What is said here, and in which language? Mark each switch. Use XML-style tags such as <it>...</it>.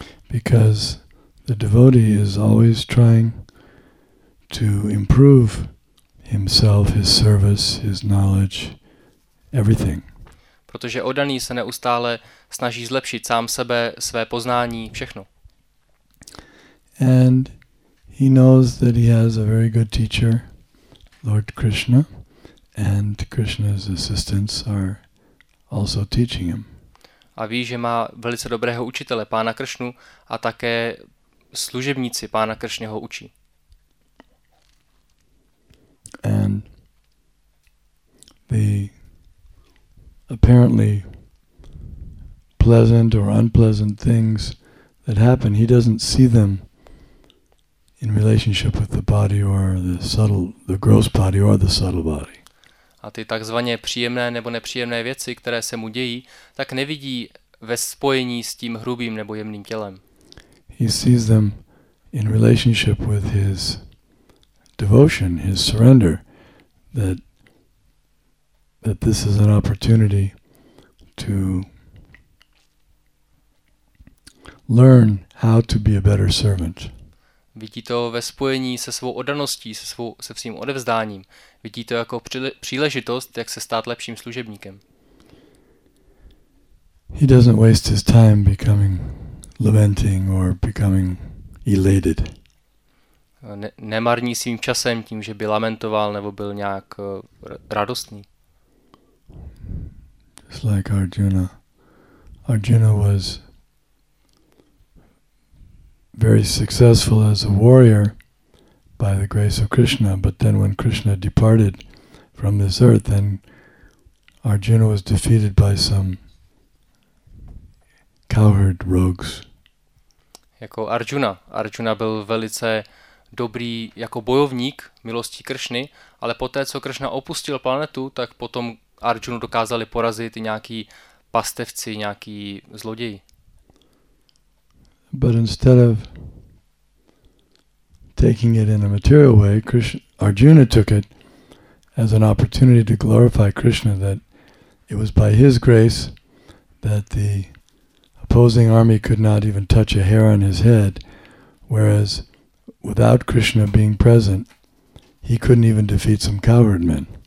<en>Because the devotee is always trying to improve himself, his service, his knowledge, everything.</en> <cs>Protože oddaný se neustále snaží zlepšit sám sebe, své poznání, všechno.</cs> <en>And he knows that he has a very good teacher, Lord Krishna, and Krishna's assistants are also teaching him.</en> <cs>A ví, že má velice dobrého učitele, pána Kršnu, a také služebníci pána Kršny ho učí.</cs> <en>And the apparently pleasant or unpleasant things that happen, he doesn't see them in relationship with the body or the subtle, the gross body or the subtle body.</en> <cs>A ty takzvaně příjemné nebo nepříjemné věci, které se mu dějí, tak nevidí ve spojení s tím hrubým nebo jemným tělem.</cs> <en>He sees them in relationship with his devotion, his surrender, that this is an opportunity to learn how to be a better servant.</en> <cs>Vidí to ve spojení se svou oddaností, se svým odevzdáním. Vidí to jako příležitost, jak se stát lepším služebníkem.</cs> <en>He doesn't waste his time becoming lamenting or becoming elated.</en> <cs>Nemarní svým časem tím, že by lamentoval nebo byl nějak radostný.</cs> <en>Just like Arjuna. Arjuna was very successful as a warrior by the grace of Krishna, but then when Krishna departed from this earth, then Arjuna was defeated by some cowherd rogues.</en> <cs>Jako Arjuna. Arjuna byl velice dobrý jako bojovník milosti Kršny, ale poté, co Kršna opustil planetu, tak potom Arjunu dokázali porazit i nějaký pastevci, nějaký zloději.</cs> <en>But instead of taking it in a material way, Arjuna took it as an opportunity to glorify Krishna, that it was by his grace that the opposing army could not even touch a hair on his head, whereas without Krishna being present, he couldn't even defeat some coward men.</en>